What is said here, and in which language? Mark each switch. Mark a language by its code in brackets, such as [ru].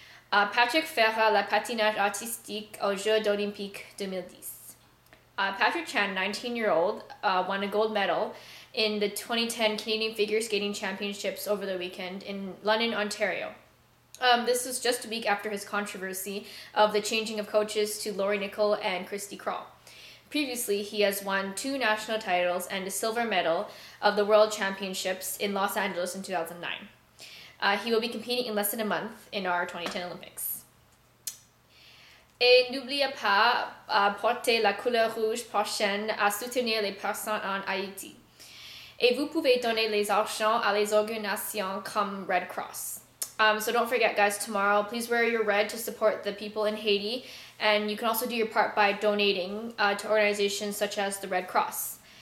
[fr] Patrick fera le patinage artistique aux Jeux Olympiques 2010. [en] Patrick Chan, 19-year-old, won a gold medal in the 2010 Canadian Figure Skating Championships over the weekend in London, Ontario. This was just a week after his controversy of the changing of coaches to Lori Nicol and Christy Kroll. Previously, he has won two national titles and a silver medal of the World Championships in Los Angeles in 2009. He will be competing in less than a month in our 2010 Olympics. [fr] Et n'oubliez pas porter la couleur rouge prochaine à soutenir les personnes en Haïti. Et vous pouvez donner les argent à les organisations comme Red Cross. [en] So don't forget, guys, tomorrow, please wear your red to support the people in Haiti. And you can also do your part by donating to organizations such as the Red Cross.